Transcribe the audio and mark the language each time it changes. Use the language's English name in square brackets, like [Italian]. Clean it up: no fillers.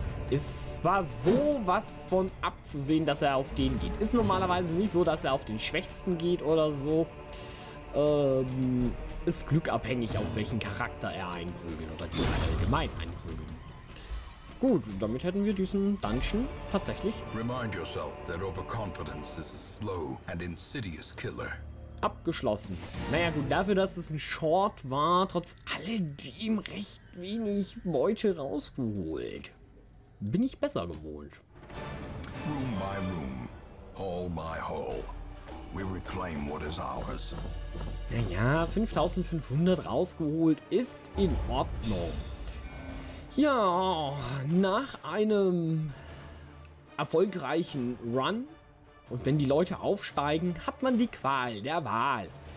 [German] Es war sowas von abzusehen, dass er auf den geht. Ist normalerweise nicht so, dass er auf den Schwächsten geht oder so. Ist glückabhängig, auf welchen Charakter er einprügelt oder die allgemein einprügeln. Gut, damit hätten wir diesen Dungeon tatsächlich. [English] Remind yourself that overconfidence is a slow and insidious killer. [German] Abgeschlossen. Naja gut, dafür, dass es ein Short war, trotz alledem recht wenig Beute rausgeholt. Bin ich besser gewohnt. [English] Room by room, hall by hall. We reclaim what is ours. [German] Naja, 5500 rausgeholt ist in Ordnung. Ja, nach einem erfolgreichen Run und wenn die Leute aufsteigen, hat man die Qual der Wahl.